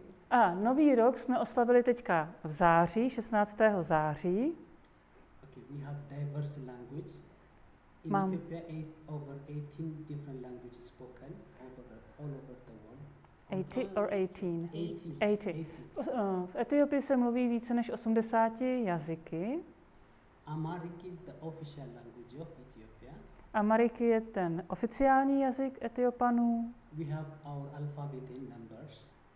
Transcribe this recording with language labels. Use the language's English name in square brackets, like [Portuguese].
[Czech] A nový rok jsme oslavili teďka v září, 16. září. [English] Okay, we have diverse language. In Ethiopia, over 18 different languages spoken all over the world. 80. [Czech] V Etiopii se mluví více než 80 jazyky. [English] Amharic is the official language of Ethiopia. [Czech] Amharic je ten oficiální jazyk Etiopanů. [English] We have our alphabet in numbers.